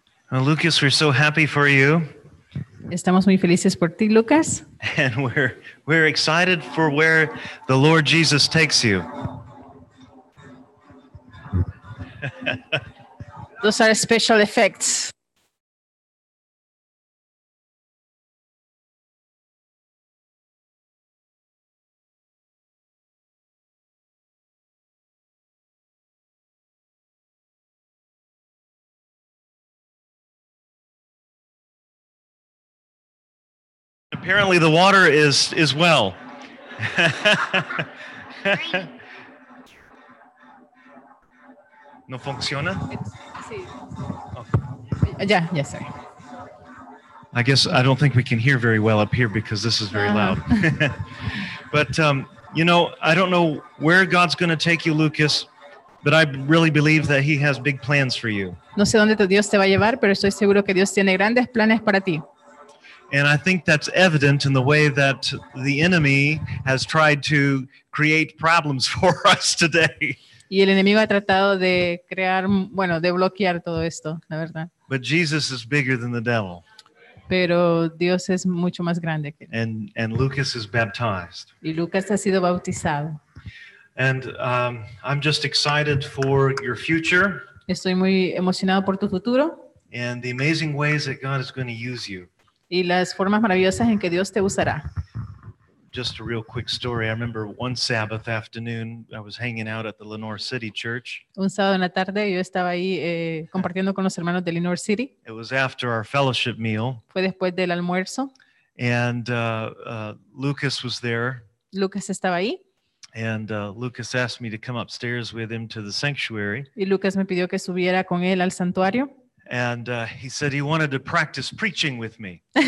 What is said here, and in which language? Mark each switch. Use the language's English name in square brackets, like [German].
[English] Well, Lucas, we're so happy for you. [Spanish] Estamos muy felices por ti, Lucas. [English] And we're excited for where the Lord Jesus takes you. Those are special effects. Apparently the water is well. [Spanish] No funciona? [English] Oh. Yeah, yes, sir. I guess I don't think we can hear very well up here because this is very loud. But, you know, I don't know where God's going to take you, Lucas, but I really believe that he has big plans for you. [Spanish] No sé dónde Dios te va a llevar, pero estoy seguro que Dios tiene grandes planes para ti. [English] And I think that's evident in the way that the enemy has tried to create problems for us today. [Spanish] Y el enemigo ha tratado de crear, bueno, de bloquear todo esto, la verdad. [English] But Jesus is bigger than the devil. [Spanish] Pero Dios es mucho más grande que él. [English] And Lucas is baptized. [Spanish] Y Lucas ha sido bautizado. [English] And I'm just excited for your future. [Spanish] Estoy muy emocionado por tu futuro. [English] And the amazing ways that God is going to use you. [Spanish] Y las formas maravillosas en que Dios te usará. [English] Just a real quick story. I remember one Sabbath afternoon, I was hanging out at the Lenore City Church. [Spanish] Un sábado en la tarde, yo estaba ahí compartiendo con los hermanos de Lenore City. [English] It was after our fellowship meal. [Spanish] Fue después del almuerzo. [English] And Lucas was there. [Spanish] Lucas estaba ahí. [English] And Lucas asked me to come upstairs with him to the sanctuary. [Spanish] Y Lucas me pidió que subiera con él al santuario. [English] And he said he wanted to practice preaching with me.